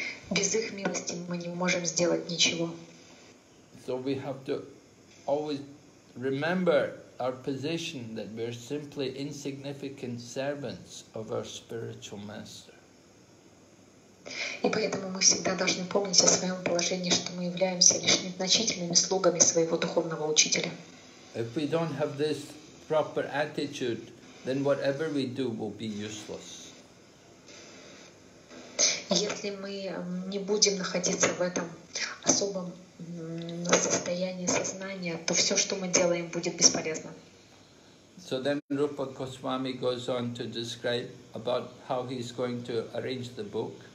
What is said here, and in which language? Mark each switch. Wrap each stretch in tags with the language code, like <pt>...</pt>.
<ru>Без их милости мы не можем сделать ничего.</ru> <en>So we have to always remember our position that we are simply insignificant servants of our spiritual master.</en> <ru>И поэтому мы всегда должны помнить о своем положении, что мы являемся лишь незначительными слугами своего духовного учителя.</ru> <en>If we don't have this proper attitude, then whatever we do will be useless.</en> <ru>Если мы не будем находиться в этом особом состоянии сознания, то все, что мы делаем, будет бесполезно.</ru> <en>So then Rupa Goswami goes on to describe about how he's going to arrange the book.</en>